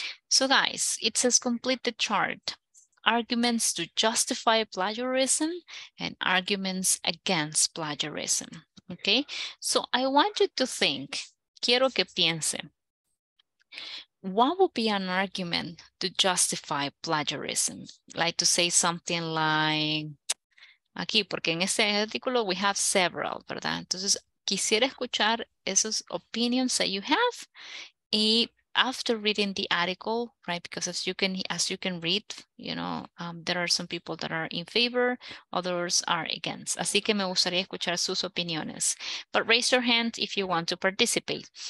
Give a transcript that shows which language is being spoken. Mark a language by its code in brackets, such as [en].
[en] So, guys, it says complete the chart. Arguments to justify plagiarism and arguments against plagiarism. Okay, so I want you to think, [es] quiero que piense, [en] what would be an argument to justify plagiarism? Like to say something like, [es] aquí, porque en este artículo [en] we have several, [es] ¿verdad? Entonces, quisiera escuchar esos [en] opinions that you have. [es] Y [en] after reading the article, right, because as you can read, you know, there are some people that are in favor, others are against. [es] Así que me gustaría escuchar sus opiniones. [en] But raise your hand if you want to participate.